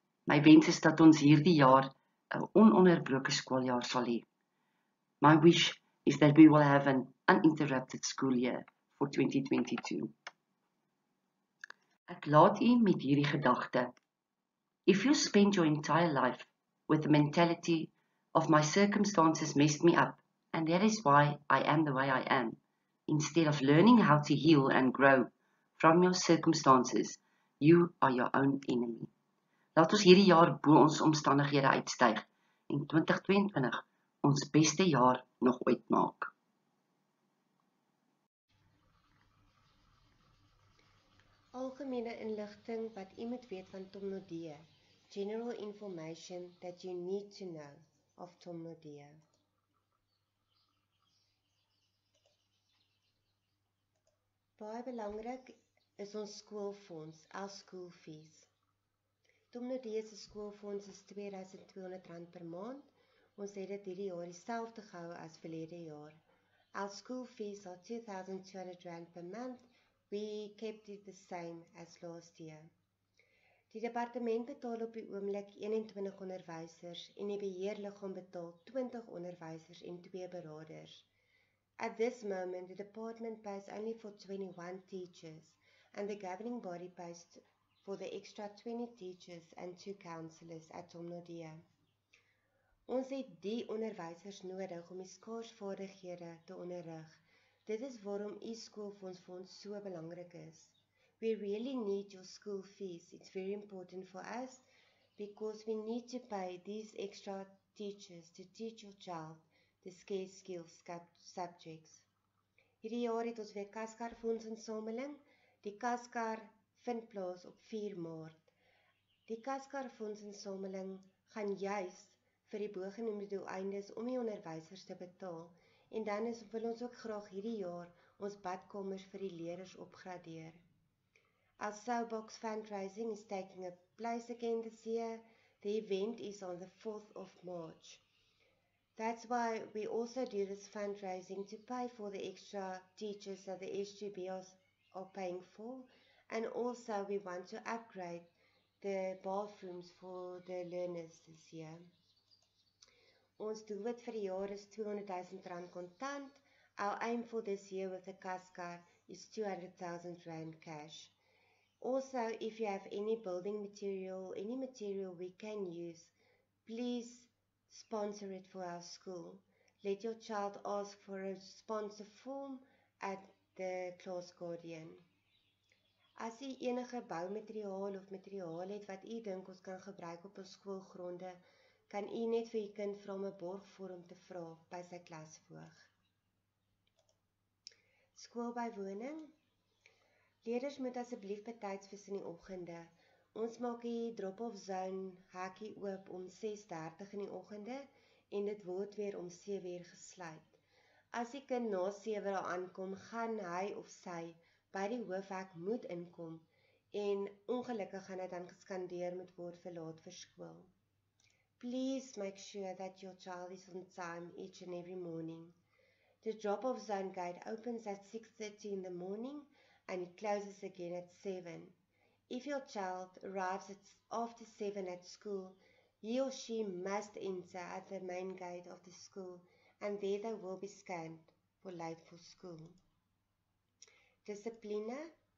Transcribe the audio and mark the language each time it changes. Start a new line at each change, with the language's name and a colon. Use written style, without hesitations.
Afrikaans: My wens is dat ons hierdie jaar 'n ononderbroke skooljaar sal hê.
English: My wish is that we will have an uninterrupted school year for 2022.
Afrikaans: Ek laat u met hierdie gedagte.
English: If you spend your entire life with the mentality of my circumstances messed me up, and that is why I am the way I am, instead of learning how to heal and grow from your circumstances, you are your own enemy.
Afrikaans: Laat ons hierdie jaar bo ons omstandighede uitstyg en 2022 ons beste jaar nog ooit maak. Algemene inligting wat u moet weet van Tom Naudé.
English: General information that you need to know of Tom Naudé.
Afrikaans: Baie belangrik is ons skoolfonds,
English: our school fees.
Afrikaans: Tom Naudé se skoolfonds is R2200 per maand. Ons het dit hierdie jaar dieselfde gehou as verlede jaar.
English: Our school fees are R2200 per month. We kept it the same as last year.
Afrikaans: Die departement betaal op die oomblik 21 onderwysers en die beheerliggaam betaal 20 onderwysers en 2 beraders.
English: At this moment, the department pays only for 21 teachers and the governing body pays for the extra 20 teachers and 2 counselors at Tom Naudé.
Afrikaans: Ons het die onderwysers nodig om die skaarsvaardighede te onderrig. Dit is waarom die skoolfonds vir ons so belangrik is.
English: We really need your school fees. It's very important for us because we need to pay these extra teachers to teach your child the scarce skills subjects.
Afrikaans: Hierdie jaar het ons weer kaskar fonds insameling. Die kaskar vind plaas op 4 Maart. Die kaskar fonds insameling gaan juist vir die bogenoemde doeleindes om die onderwysers te betaal en dan wil ons ook graag hierdie jaar ons badkamers vir die leerders opgradeer.
English: Our soapbox fundraising is taking a place again this year. The event is on the 4th of March. That's why we also do this fundraising to pay for the extra teachers that the SGB are paying for. And also we want to upgrade the bathrooms for the learners this year.
Afrikaans: Ons doelwit vir die jaar is R200,000 kontant.
English: Our aim for this year with the kaskar is R200,000 cash. Also, if you have any building material, any material we can use, please sponsor it for our school. Let your child ask for a sponsor form at the class guardian.
Afrikaans: As u enige boumateriaal of materiaal het wat u dink ons kan gebruik op ons skoolgronde, kan u net vir u kind vra om 'n borgvorm te vra by sy klasvoog. Skoolbywoning. Leerders moet asseblief betyds vir in die oggende. Ons maak die drop-off zone hekkie oop om 6:30 in die oggende en dit word weer om 7:00 gesluit. As die kind na 7:00 daar aankom, gaan hy of sy by die hoofhek moet inkom en ongelukkig gaan hy dan geskandeer moet word vir laat vir skool.
English: Please make sure that your child is on time each and every morning. The drop-off zone gate opens at 6:30 in the morning and it closes again at 7. If your child arrives after 7 at school, he or she must enter at the main gate of the school and there they will be scanned for late for school. Discipline.